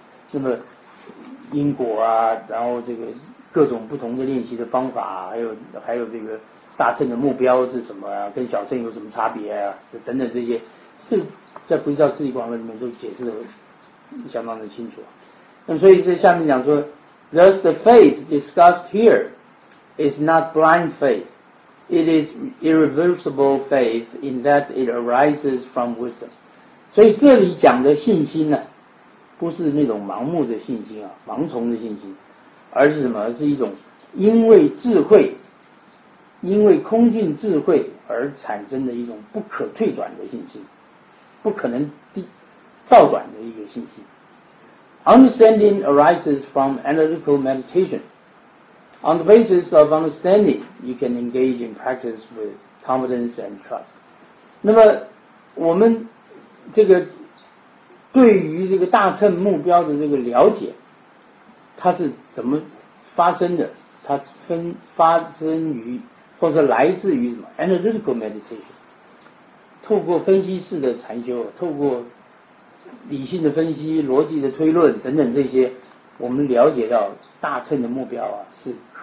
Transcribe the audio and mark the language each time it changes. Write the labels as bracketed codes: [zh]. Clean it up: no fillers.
[zh] 那么因果啊，然后这个各种不同的练习的方法，还有这个大乘的目标是什么啊，跟小乘有什么差别啊，等等，这些是在佛教自己广论里面都解释的相当的清楚。那所以这下面讲说 [en] Thus the faith discussed here is not blind faithIt is irreversible faith in that it arises from wisdom. [zh] 所以这里讲的信心呢，不是那种盲目的信心啊，盲从的信心，而是什么？是一种因为智慧，因为空性智慧而产生的一种不可退转的信心，不可能倒转的一个信心。 [en] Understanding arises from analytical meditation. On the basis of understanding, you can engage in practice with confidence and trust. [zh] 那么我们这个对于这个大乘目标的这个了解，它是怎么发生的？它发生于或者来自于什么 ？ [en] Analytical meditation， [zh] 透过分析式的禅修，透过理性的分析、逻辑的推论等等，这些我们了解到大乘的目标啊是。